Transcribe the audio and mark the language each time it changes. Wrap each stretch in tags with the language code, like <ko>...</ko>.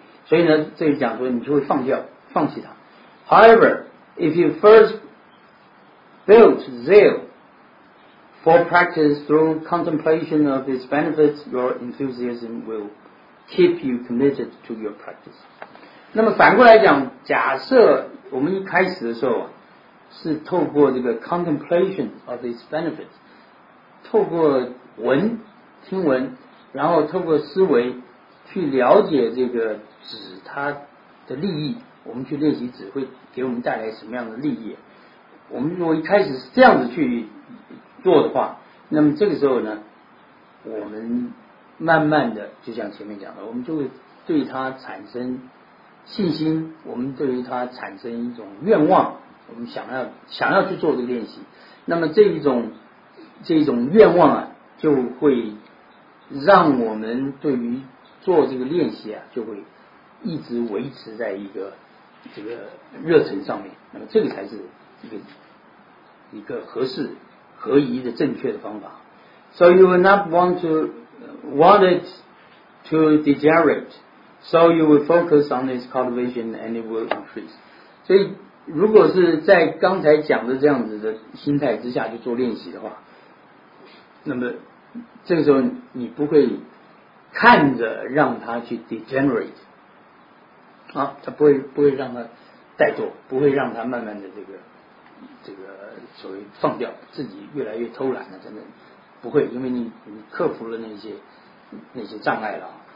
<zh>所以呢这里讲说你就会放弃它。</zh> <en>However, if you first build zeal for practice through contemplation of its benefits, your enthusiasm will keep you committed to your practice.</en> <zh>那么反过来讲，假设我们一开始的时候是透过这个</zh> <en>contemplation of its benefits，</en> <zh>透过闻听闻，然后透过思维去了解这个止它的利益，我们去练习止会给我们带来什么样的利益，我们如果一开始是这样子去做的话，那么这个时候呢我们慢慢的就像前面讲的，我们就会对它产生信心，我们对于它产生一种愿望，我们想要去做这个练习，那么这一种愿望啊就会让我们对于做这个练习啊就会一直维持在一个这个热忱上面，那么这个才是一个合适合宜的正确的方法。</zh> <en>So you will not want it to degenerate, so you will focus on its cultivation and it will increase.</en> <zh>所以如果是在刚才讲的这样子的心态之下去做练习的话，那么这个时候你不会看着让他去 degenerate 啊，他不会让他怠惰，不会让他慢慢的这个所谓放掉，自己越来越偷懒了，真的不会，因为你克服了那些障碍了。</zh>